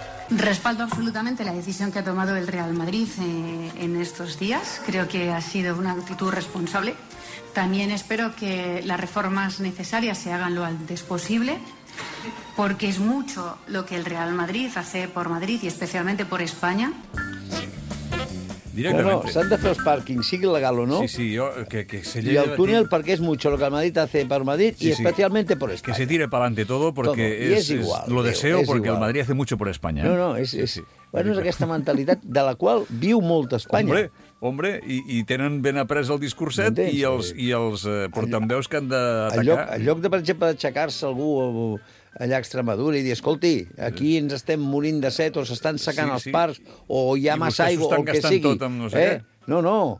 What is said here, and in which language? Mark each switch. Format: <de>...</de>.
<es>Respaldo absolutamente la decisión que ha tomado el Real Madrid en estos días. Creo que ha sido una actitud responsable. También espero que las reformas necesarias se hagan lo antes posible, porque es mucho lo que el Real Madrid hace por Madrid y especialmente por España.</es> <ca>Bueno, s'han de fer els pàrquings, sigui legal o no. Sí, jo...</ca> <es>Que se lleve...</es> <ca>I el túnel, perquè és</ca> <es>mucho lo que el Madrid hace per Madrid y especialmente por España. Que se tire pa'lante todo, porque lo deseo, porque el Madrid hace mucho por España.</es> <ca>No, és... Bueno, és aquesta mentalitat de la qual viu molta Espanya. Hombre, i tenen ben après el discurset i els portaveus que han d'atacar. En lloc de, per exemple, aixecar-se algú allà a Extremadura i dir, escolti, aquí ens estem morint de set o s'estan secant els parcs o hi ha massa aigua o el que sigui. No.</ca>